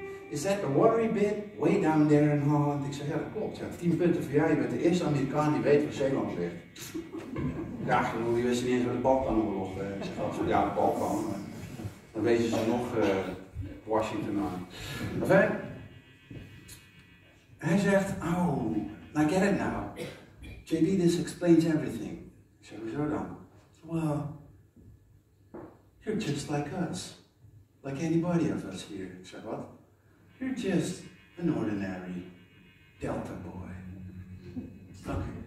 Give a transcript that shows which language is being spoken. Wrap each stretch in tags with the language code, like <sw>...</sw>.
<en>Is that the watery bit way down there in Holland?</en> <nl>Ik zeg, ja, dat klopt. Ja, 10 punten voor jou. Je bent de eerste Amerikaan die weet waar Zeeland ligt. Ja, genoeg, die wisten niet eens waar de Balkanoorlog was. Ja, de Balkan. Dan wezen ze nog Washington aan. Enfin, hij zegt,</nl> <en>oh, I get it now. JB, this explains everything.</en> <nl>Ik zeg, hoezo dan?</nl> <en>Well, you're just like us. Like anybody of us here.</en> <nl>Ik zeg, wat?</nl> <en>You're just an ordinary Delta boy. Okay.</en>